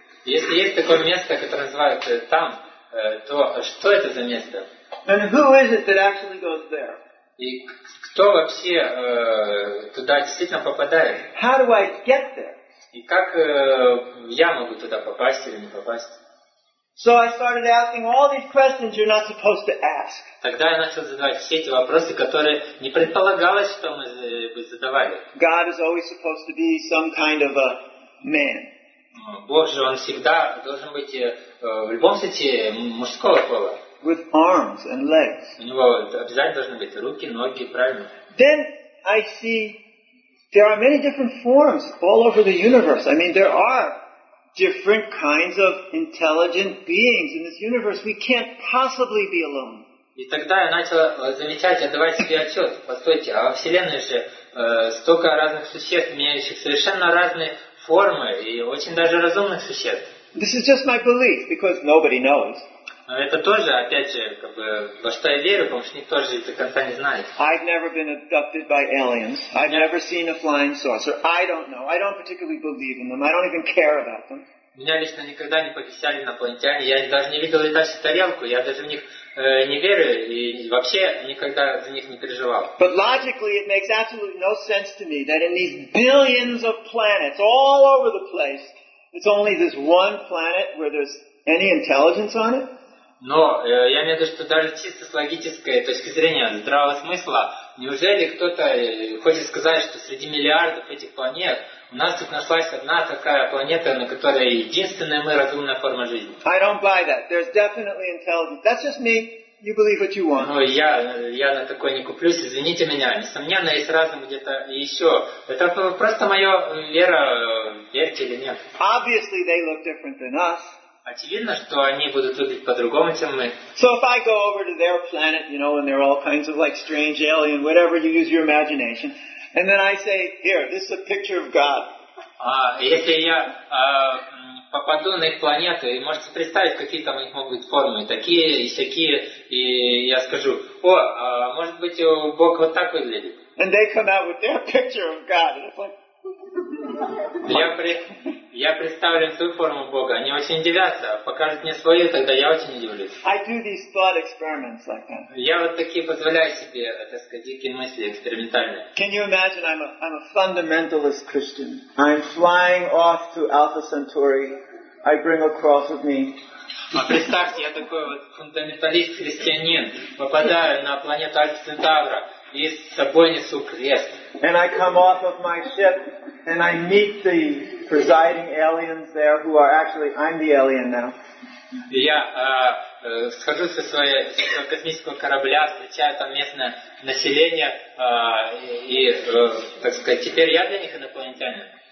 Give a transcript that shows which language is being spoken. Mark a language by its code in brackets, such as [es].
[ru] Если есть такое место, которое называется там, то что это за место? [en] And who is it that actually goes there? [ru] И кто вообще туда действительно попадает? [en] How do I get there? [ru] И как я могу туда попасть или не попасть? [en] So I started asking all these questions you're not supposed to ask. [ru] Тогда я начал задавать все эти вопросы, которые не предполагалось, что мы бы задавали. [en] God is always supposed to be some kind of a man. [ru] Бог же, он всегда должен быть в любом случае мужского пола. [en] With arms and legs. [ru] У него обязательно должны быть руки, ноги, правильно? [en] Then I see there are many different forms all over the universe. I mean, there are different kinds of intelligent beings in this universe. We can't possibly be alone. [ru] И тогда я начал замечать, отдавать себе отчет. Постойте, а во Вселенной же столько разных существ, имеющих совершенно разные формы и очень даже разумных существ. [en] This is just my belief, because nobody knows. [ru] Это тоже, опять же, как бы, во что я верю, потому что никто же до конца не знает. [en] I've never been abducted by aliens. I've never seen a flying saucer. I don't know. I don't particularly believe in them. I don't even care about them. [ru] Меня лично никогда не похищали инопланетяне. Я даже не видел летающую тарелку. Я даже в них не верю и вообще никогда за них не переживал. [en] But logically, it makes absolutely no sense to me that in these billions of planets all over the place, it's only this one planet where there's any intelligence on it. [ru] Но я имею в виду, что даже чисто с логической точки зрения, здравого смысла, неужели кто-то хочет сказать, что среди миллиардов этих планет у нас тут нашлась одна такая планета, на которой единственная мы разумная форма жизни? [en] I don't buy that. There's definitely intelligence. That's just me. You believe what you want. [ru] Ну, я на такое не куплюсь, извините меня. Несомненно, есть разум где-то еще. Это просто моя вера, верьте или нет. [en] Obviously, they look different than us. [ru] Очевидно, что они будут выглядеть по-другому, чем мы. [en] So if I go over to their planet, you know, and there are all kinds of like strange alien, whatever, you use your imagination, and then I say, here, this is a picture of God. [ru] А если я попаду на их планету, и можете представить, какие там у них могут быть формы, такие и всякие, и я скажу, о, может быть, Бог вот так выглядит. [en] And they come out with their picture of God, and it's like, [ru] я представлю свою форму Бога. Они очень удивятся. Покажут мне свою, тогда я очень удивлюсь. [en] I do these thought experiments like that. [ru] Я вот такие позволяю себе, так сказать, дикие мысли экспериментальные. [en] Can you imagine I'm a fundamentalist Christian. I'm flying off to Alpha Centauri. I bring a cross with me. [ru] А представьте, я такой вот фундаменталист-христианин. Попадаю на планету Альфа Центавра. И с собой несу крест. [en] And I come off of my ship. And I meet the presiding aliens there who are actually, I'm the alien now. [ru] Я схожу со своего космического корабля, встречаю там местное население, и, так сказать, теперь я для них инопланетянин.